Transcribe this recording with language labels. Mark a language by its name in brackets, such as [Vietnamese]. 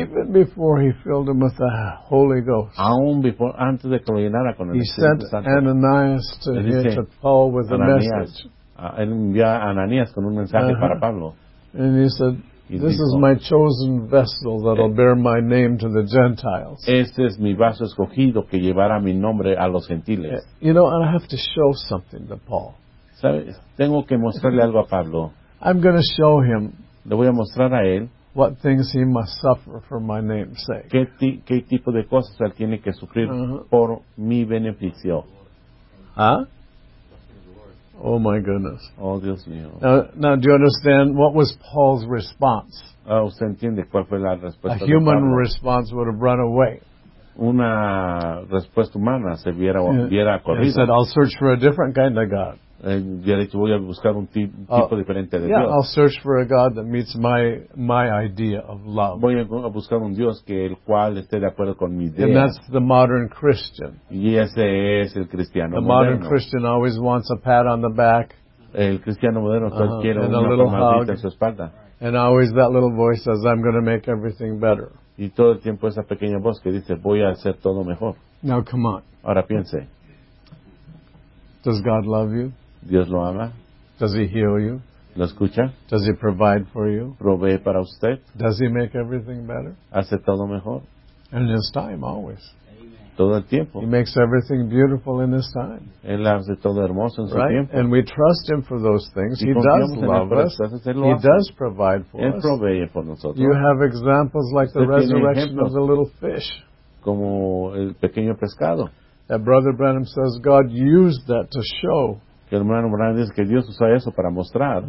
[English] Even before he filled him with the Holy Ghost. [Spanish] Aún before, antes de que lo llenara con el Espíritu Santo. [English] He sent Ananias to hit Paul with a message. [Spanish] Él envió a Ananias con un mensaje para Pablo. [English] And he said, this is my chosen vessel that will bear my name to the Gentiles. [Spanish] Este es mi vaso escogido que llevará mi nombre a los gentiles. [English] You know, and I have to show something to Paul. [Spanish] ¿Sabes? Tengo que mostrarle algo a Pablo. [English] I'm going to show him. [Spanish] Le voy a mostrar a él. [English] What things he must suffer for my name's sake. [Spanish] ¿Qué tipo de cosas él tiene que sufrir por mi beneficio? [English] ¿Ah? Oh my goodness. [Spanish] Oh, Dios mío. [English] Now, do you understand what was Paul's response? [Spanish] ¿Usted entiende cuál fue la respuesta? [English] A human [Spanish] de Pablo? [English] Response would have run away. [Spanish] Una respuesta humana se hubiera corrido. [English] He said, I'll search for a different kind of God. [Spanish] Voy a buscar un tipo diferente de Dios. [English] Yeah, I'll search for a God that meets my idea of love. [Spanish] Voy a buscar un Dios que el cual esté de acuerdo con mi idea. [English] And that's the modern Christian. [Spanish] Y ese es el cristiano moderno. [English] The modern Christian always wants a pat on the back. [Spanish] El cristiano moderno quiere una palmadita en su espalda. [English] And always that little voice says, I'm going to make everything better. [Spanish] Y todo el tiempo esa pequeña voz que dice, voy a hacer todo mejor. [English] Now come on. [Spanish] Ahora piense. [English] Does God love you? [Spanish] Dios lo ama. [English] Does he heal you? [Spanish] ¿Lo escucha? [English] Does he provide for you? [Spanish] ¿Provee para usted? [English] Does he make everything better? [Spanish] ¿Hace todo mejor? [English] In his time, always. [Spanish] Todo el tiempo. [English] He makes everything beautiful in his time. [Spanish] Él hace todo hermoso en su [English] right? [Spanish] tiempo. [English] And we trust him for those things. [Spanish] Y [English] he does love us. [Spanish] Entonces, [English] he does provide for [Spanish] él [English] us. [Spanish] Él provee por nosotros. [English] You have examples like [Spanish] usted [English] the resurrection of the little fish. [Spanish] Como el pequeño pescado. [English] That Brother Branham says God used that to show [Spanish] que el hermano Branham dice que Dios usa eso para mostrar